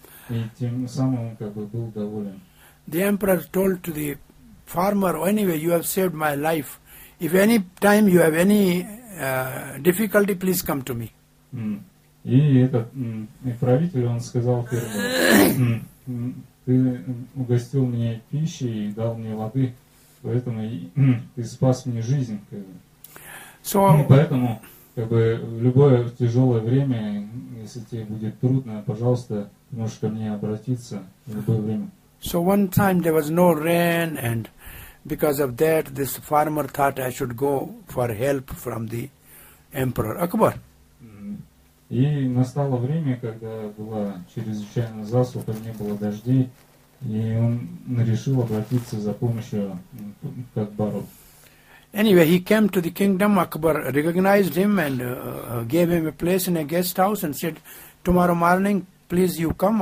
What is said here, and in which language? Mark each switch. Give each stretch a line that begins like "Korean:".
Russian: И тем самым он как бы был доволен.
English: The emperor told to the farmer, anyway, you have saved my life. If any time you have any difficulty, please come to me.
Russian: И этот и правитель, он сказал первым, ты угостил мне пищей и дал мне воды, поэтому ты спас мне жизнь. Как бы.
English: So,
Russian: поэтому как бы, в любое тяжелое время, если тебе будет трудно, пожалуйста, можешь ко мне обратиться в любое время.
English: So one time there was no rain, and because of that, this farmer thought I should go for help from the emperor Akbar.
Russian: И настало время, когда была чрезвычайно засуха, не было дождей, и он решил обратиться за помощью к Акбару.
English: Anyway, he came to the kingdom. Akbar recognized him and gave him a place in a guest house and said, "Tomorrow morning, please you come.